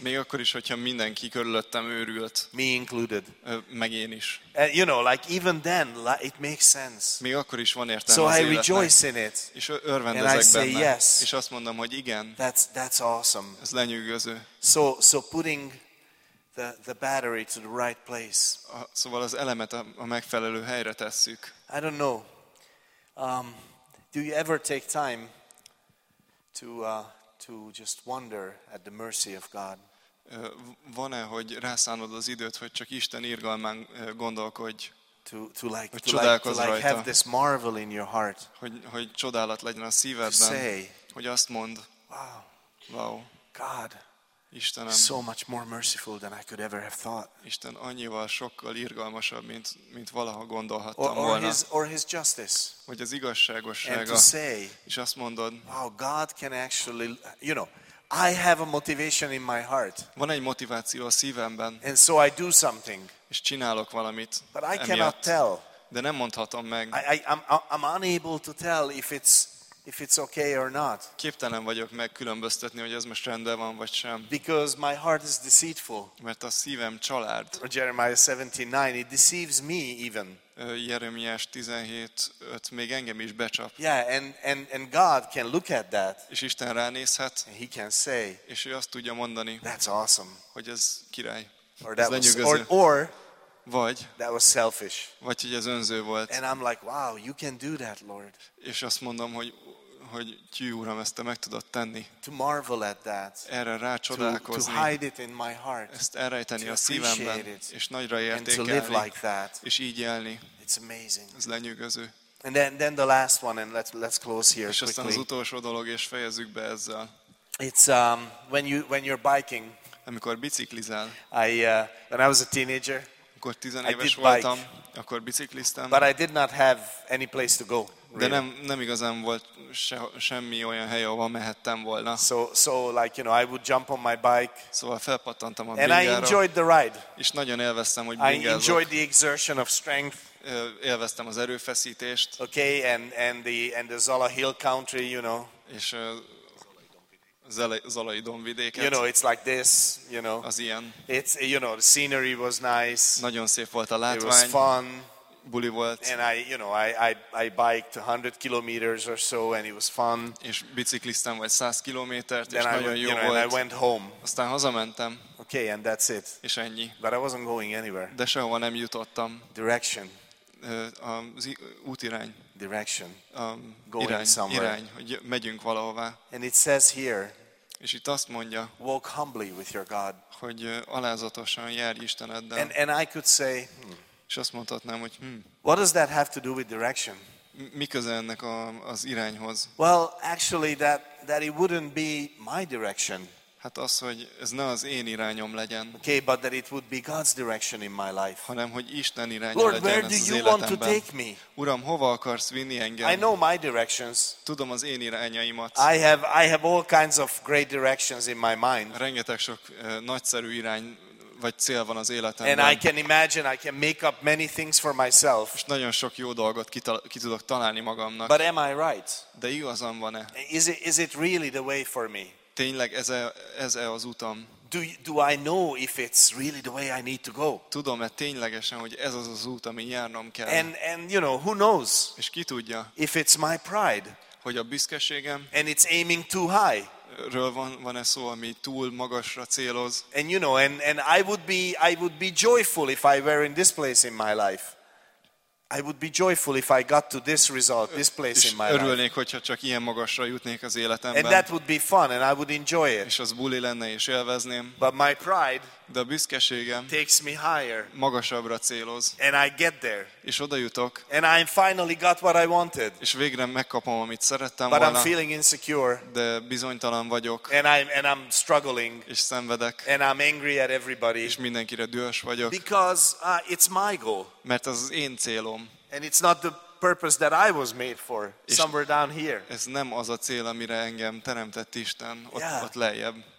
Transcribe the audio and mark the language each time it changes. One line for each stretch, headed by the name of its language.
Hungarian: Még akkor is, hogyha mindenki körülöttem őrült.
English: Me included.
Hungarian: Meg én is.
English: You know, like even then, like, it makes sense.
Hungarian: Még akkor is van értelme
English: so
Hungarian: az
English: I
Hungarian: életnek.
English: Rejoice in it.
Hungarian: És örvendezek benne.
English: And I say yes.
Hungarian: És azt mondom, hogy igen.
English: That's awesome.
Hungarian: Ez lenyűgöző.
English: So putting the battery to the right place.
Hungarian: Szóval az elemet a megfelelő helyre tesszük.
English: I don't know. Do you ever take time to just wonder at the mercy of God?
Hungarian: Van-e, hogy rászánod az időt, hogy csak Isten irgalmán gondolkodj?
English: To have this marvel in your heart.
Hungarian: Hogy csodálat legyen a szívedben.
English: Say,
Hungarian: hogy azt mond.
English: Wow. God.
Hungarian: Istenem.
English: So much more merciful than I could ever have thought.
Hungarian: Isten annyival sokkal irgalmasabb, mint valaha gondolhattam volna.
English: Or his justice.
Hungarian: Vagy az igazságossága.
English: And to say,
Hungarian: és azt mondod,
English: wow, God can actually, you know, I have a motivation in my heart.
Hungarian: Van egy motiváció a szívemben.
English: And so I do something.
Hungarian: És csinálok valamit.
English: But I cannot tell.
Hungarian: De nem mondhatom meg.
English: I'm unable to tell if it's okay or not.
Hungarian: Képtelen vagyok megkülönböztetni, hogy ez most rendben van vagy sem.
English: Because my heart is deceitful.
Hungarian: Mert a szívem csalárd.
English: Jeremiah 17:9, it deceives me even.
Hungarian: Jeremiás 17:5 még engem is becsap.
English: Yeah, and God can look at that.
Hungarian: És Isten ránézhet.
English: And he can say.
Hungarian: És ő azt tudja mondani.
English: That's awesome.
Hungarian: Hogy ez király.
English: Or that
Hungarian: ez
English: was, or
Hungarian: vagy
English: that was selfish.
Hungarian: Vagy hogy ez önző volt.
English: And I'm like, wow, you can do that, Lord.
Hungarian: És azt mondom, hogy Tyú Uram, ezt te meg tudod tenni.
English: To marvel at that.
Hungarian: Erre rácsodálkozni.
English: To hide it in my heart.
Hungarian: Ezt elrejteni a szívemben.
English: It,
Hungarian: és nagyra értékelni.
English: And to live like that.
Hungarian: És így élni.
English: It's amazing.
Hungarian: Ez lenyűgöző.
English: And then the last one, and let's close here
Hungarian: és
English: quickly.
Hungarian: És aztán az utolsó dolog, és fejezzük be ezzel.
English: It's when you're biking.
Hungarian: Amikor biciklizel.
English: When I was a teenager.
Hungarian: Akkor 11 éves voltam, akkor bicikliztem.
English: But I did not have any place to go.
Hungarian: De nem igazán volt semmi olyan hely, ahova mehettem volna.
English: So like, you know, I would jump on my bike.
Hungarian: Szóval felpattantam a bringára.
English: And I enjoyed the ride.
Hungarian: És nagyon élveztem, hogy bringázok.
English: I enjoyed the exertion of strength.
Hungarian: Élveztem az erőfeszítést.
English: Okay, and the Zala Hill country, you know.
Hungarian: És Zalai dombvidéket.
English: You know, it's like this, you know.
Hungarian: Az ilyen.
English: It's, you know, the scenery was nice.
Hungarian: Nagyon szép volt a látvány.
English: It was fun.
Hungarian: Buli volt.
English: And I, you know, I biked 100 kilometers or so, and it was fun.
Hungarian: És bicikliztem vagy 100 kilométert, és nagyon jó volt.
English: And I went home.
Hungarian: Aztán hazamentem.
English: Okay, and that's it.
Hungarian: És ennyi.
English: But I wasn't going anywhere.
Hungarian: De sehova nem jutottam.
English: Direction.
Hungarian: Az útirány.
English: Direction. Going irány, somewhere.
Hungarian: Irány, hogy megyünk valahová.
English: And it says here.
Hungarian: És itt azt mondja.
English: Walk humbly with your God.
Hungarian: Hogy alázatosan járj Isteneddel.
English: And I could say.
Hungarian: És azt mondhatnám, hogy.
English: What does that have to do with direction?
Hungarian: Mi köze ennek az irányhoz?
English: Well, actually, that it wouldn't be my direction.
Hungarian: Hát az, hogy ez ne az én irányom legyen.
English: Okay, but that it would be God's direction in my life.
Hungarian: Hanem hogy Isten irányja
English: Lord,
Hungarian: legyen ez az életemben.
English: Lord, where do you want to take me?
Hungarian: Uram, hova akarsz vinni engem?
English: I know my directions.
Hungarian: Tudom az én irányaimat.
English: I have all kinds of great directions in my mind.
Hungarian: Rengeteg sok nagyszerű irány vagy cél van az életemben.
English: And I can imagine, I can make up many things for myself.
Hungarian: És nagyon sok jó dolgot ki tudok találni magamnak.
English: But am I right?
Hungarian: De igazam van-e?
English: Is it really the way for me?
Hungarian: Tényleg ez az utam.
English: Do I know if it's really the way I need to go?
Hungarian: Tudom-e ténylegesen, hogy ez az az út, amin járnom kell.
English: And you know, who knows?
Hungarian: És ki tudja?
English: If it's my pride.
Hungarian: Hogy a büszkeségem.
English: And it's aiming too high.
Hungarian: Ről van-e szó, ami túl magasra céloz.
English: And you know, and I would be joyful if I were in this place in my life. I would be joyful if I got to this result, this place in my life.
Hungarian: Örülnék, hogyha csak ilyen magasra jutnék az életemben.
English: And that would be fun, and I would enjoy it.
Hungarian: És az buli lenne, és élvezném.
English: But my pride,
Hungarian: de a büszkeségem
English: takes me higher,
Hungarian: magasabbra céloz.
English: And I get there,
Hungarian: és oda jutok.
English: And I finally got what I wanted.
Hungarian: És végre megkapom, amit szerettem
English: but
Hungarian: volna.
English: But I'm feeling insecure,
Hungarian: de bizonytalan vagyok.
English: And I'm struggling,
Hungarian: és szenvedek.
English: And I'm angry at everybody,
Hungarian: és mindenkire dühös vagyok.
English: Because it's my goal.
Hungarian: Mert az én célom.
English: And it's not the purpose that I was made for, somewhere down here.
Hungarian: Ez nem az a cél, amire engem teremtett Isten, ott lejjebb.